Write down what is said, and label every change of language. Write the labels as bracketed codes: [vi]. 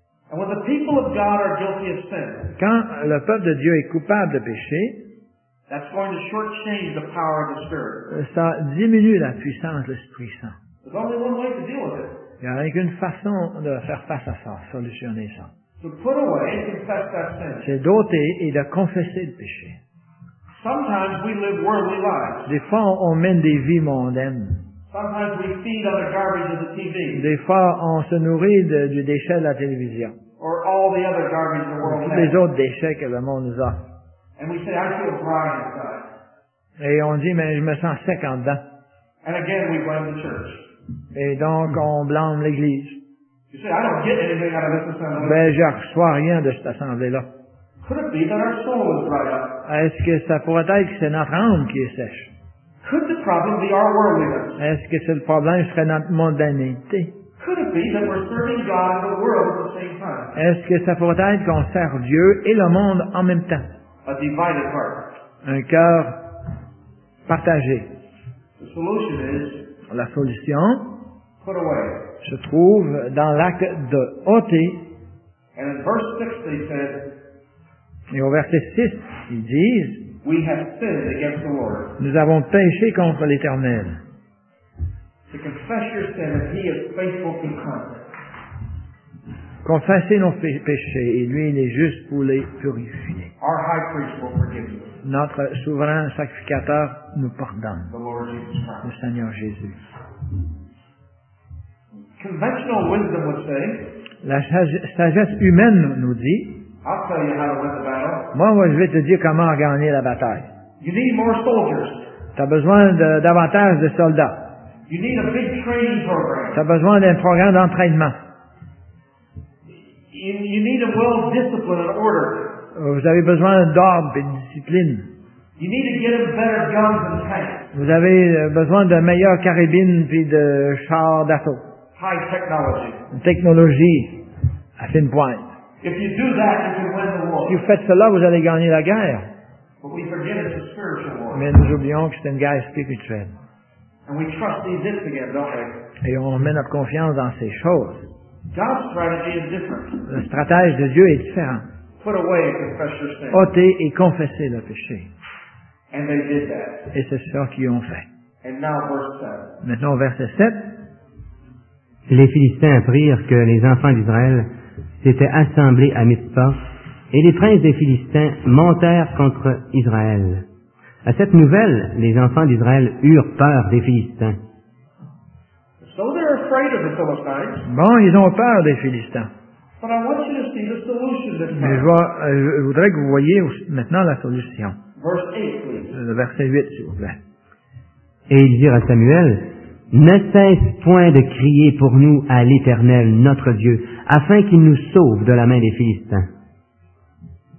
[en] And when the people of God are guilty of sin. [fr] Quand le peuple de Dieu est coupable de péché. [en] That's going to shortchange the power of the Spirit. [fr] Ça diminue la puissance de l'Esprit Saint. [en] There's only one way to deal with it. [fr] Il n'y a qu'une façon de faire face à ça, solutionner ça. [en] To put away and confess that sin. [fr] C'est d'ôter et de confesser le péché. [en] Sometimes we live worldly lives. [fr] Des fois, on mène des vies mondaines. [en] Sometimes we feed on the garbage of the TV. [fr] Des fois, on se nourrit du déchet de la télévision. [en] Or all the other garbage the world has. [fr] Tous les autres déchets que le monde nous a. [en] And we say, I feel dry inside. [fr] Et on dit, mais je me sens sec en dedans. [en] And again, we blame the church. [fr] Et donc, on blâme l'Église. [en] You say, I don't get anything out of this assembly. [fr] Mais je ne reçois rien de cette assemblée-là. [en] Could it be that our soul is dry up? [fr] Est-ce que ça pourrait être que c'est notre âme qui est sèche? [en] Could the problem be our worldliness? [fr] Est-ce que c'est le problème qui serait notre mondanité? [en] Could it be that we're serving God and the world at the same time? [fr] Est-ce que ça pourrait être qu'on sert Dieu et le monde en même temps? [en] A divided heart. [fr] Un cœur partagé. [en] The solution is, [fr] la solution [en] put away. [fr] Se trouve dans l'acte de ôter. [en] And in verse 6 they said, [fr] et au verset 6, ils disent, [en] we have sinned against the Lord. [fr] Nous avons péché contre l'Éternel. [en] To confess your sin, and he is faithful to come. [fr] Confessez nos péchés, et lui, il est juste pour les purifier. [en] Our high priest will forgive you. [fr] Notre souverain sacrificateur nous pardonne. [en] The Lord Jesus Christ. [fr] Le Seigneur Jésus. [en] Conventional wisdom would say, [fr] la sagesse humaine nous dit, [en] I'll tell you how to win the battle. [fr] Moi, je vais te dire comment gagner la bataille. [en] You need more soldiers. [fr] T'as besoin davantage de soldats. [en] You need a big training program. [fr] T'as besoin d'un programme d'entraînement. [en] You need a well-disciplined order. [fr] Vous avez besoin d'ordre et de discipline. [en] You need to get a better gun than tank. [fr] Vous avez besoin de meilleures carabines puis de chars d'assaut. [en] High technology. [fr] Une technologie à fine pointe. [en] If you do that, you can win the war. [fr] Si vous faites cela, vous allez gagner la guerre. [en] But we forget it's a spiritual war. [fr] Mais nous oublions que c'est une guerre spirituelle. [en] And we trust these again, don't we? [fr] Et on met notre confiance dans ces choses. [en] God's strategy is different. [fr] Le stratège de Dieu est différent. [en] Put away and confess your sin. [fr] Ôtez et confessez le péché. [en] And they did that. [fr] Et c'est ce qu'ils ont fait. [en] And now verse 7. [fr] Maintenant, verset 7. Les Philistins apprirent que les enfants d'Israël s'étaient assemblés à Mitzpah, et les princes des Philistins montèrent contre Israël. À cette nouvelle, les enfants d'Israël eurent peur des Philistins. [en] So they're afraid of the Philistines. [fr] Bon, ils ont peur des Philistins. [en] But I want you to see the solution that [fr] mais je voudrais que vous voyez maintenant la solution. [en] Verse 8, please. [fr] Le verset 8, s'il vous plaît. Et ils dirent à Samuel, « Ne cesse point de crier pour nous à l'Éternel, notre Dieu, afin qu'il nous sauve de la main des Philistins. »